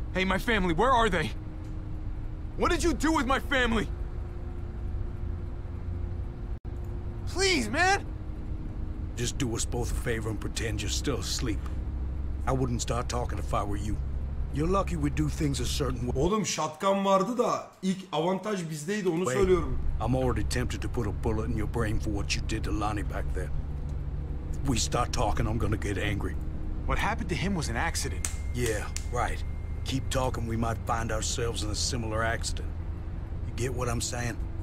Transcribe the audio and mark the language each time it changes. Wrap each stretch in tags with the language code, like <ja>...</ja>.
<en>Hey my family, where are they? What did you do with my family? Please, man. Just do us both a favor and pretend you're still asleep. I wouldn't start talking if I were you. You're lucky we do things a certain way.</en> <tr>Oğlum şatkan vardı da ilk avantaj bizdeydi onu</tr> <en>Wait,</en> <tr>söylüyorum.</tr> <en>I'm already tempted to put a bullet in your brain for what you did to Lonnie back there. If we start talking, I'm gonna get angry. What happened to him was an accident. Yeah, right. Keep talking, we might find ourselves in a similar accident. You get what I'm saying?</en>